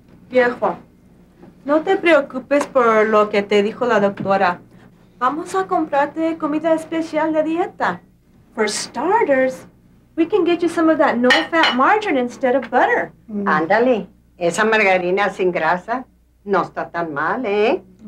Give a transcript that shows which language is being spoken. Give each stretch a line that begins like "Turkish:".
Spanish: Viejo, no te preocupes por lo que te dijo la doctora. Vamos a comprarte comida especial de dieta.
English: For starters, we can get you some of that no-fat margarine instead of butter.
Spanish: Ándale, esa margarina sin grasa no está tan mal, ¿eh?